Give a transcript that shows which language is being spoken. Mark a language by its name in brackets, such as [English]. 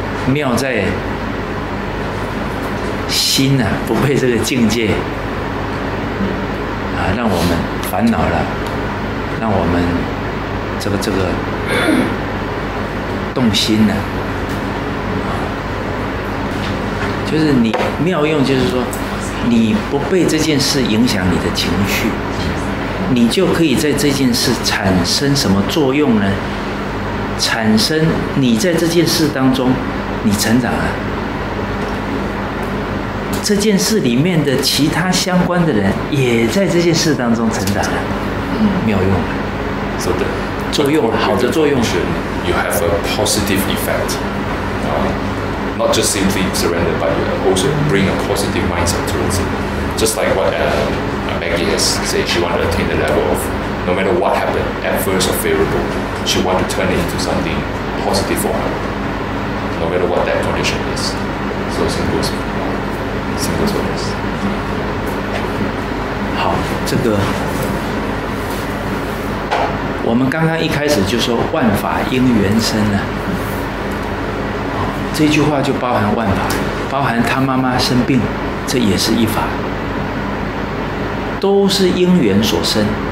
[Chinese] 妙在心啊，不被这个境界啊，让我们烦恼了，让我们这个动心了、就是你妙用，就是说你不被这件事影响你的情绪，你就可以在这件事产生什么作用呢？产生你在这件事当中。你成长了，这件事里面的其他相关的人也在这件事当中成长了，妙用了，所以作用好的作用 [English] ，you have a positive effect, not just simply surrender, but you also bring a positive mindset towards it. Just like what Maggie has said, she wanted to attain the level of no matter what happened, adverse or favorable, she wanted to turn it into something positive for her. No matter what that condition is, so simple as this. [Chinese] 好，这个我们刚刚一开始就说万法因缘生呢，这句话就包含万法，包含他妈妈生病，这也是一法，都是因缘所生。